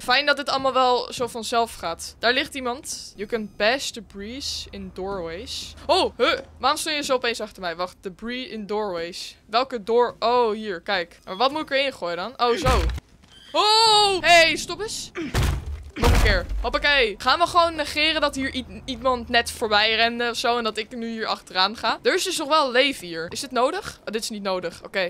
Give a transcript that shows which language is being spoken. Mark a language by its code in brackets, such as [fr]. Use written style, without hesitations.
[nl] Fijn dat dit allemaal wel zo vanzelf gaat. Daar ligt iemand. [en] You can bash the breeze in doorways. Oh, huh. [nl] Waarom stond je zo opeens achter mij? Wacht, [en] the breeze in doorways. [nl] Welke door? Oh, hier, kijk. Maar wat moet ik erin gooien dan? Oh, zo. Oh, hey, stop eens. Nog een keer. Hoppakee. Gaan we gewoon negeren dat hier iemand net voorbij rende of zo. En dat ik nu hier achteraan ga. Er is dus nog wel leven hier. Is dit nodig? Oh, dit is niet nodig. Oké.